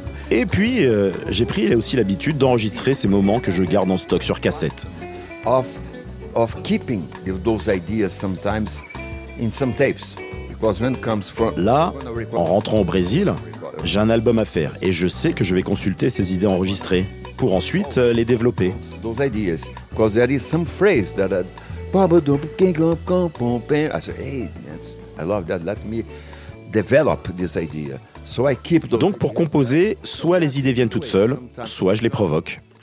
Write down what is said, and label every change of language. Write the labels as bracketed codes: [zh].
[fr] Et puis, j'ai pris aussi l'habitude d'enregistrer ces moments que je garde en stock sur cassette. [en] Of keeping those ideas sometimes in some tapes. [fr] Là, en rentrant au Brésil, j'ai un album à faire et je sais que je vais consulter ces idées enregistrées pour ensuite les développer. Donc pour composer, soit les idées viennent toutes seules, soit je les provoque.